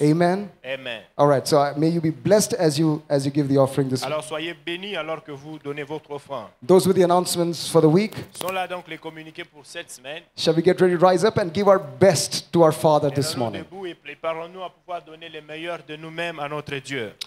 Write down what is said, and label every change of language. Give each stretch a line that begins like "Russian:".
English: Amen.
French: Amen.
English: All right, so may you be blessed as you give the offering this week.
French: Alors soyez bénis alors que vous donnez votre offrande.
English: Those were the announcements for the week.
French: Sont là donc les communiqués pour cette semaine.
English: Shall we get ready to rise up and give our best to our Father this morning?
French: Et debout et préparons-nous à pouvoir donner le meilleur de nous-mêmes à notre Dieu.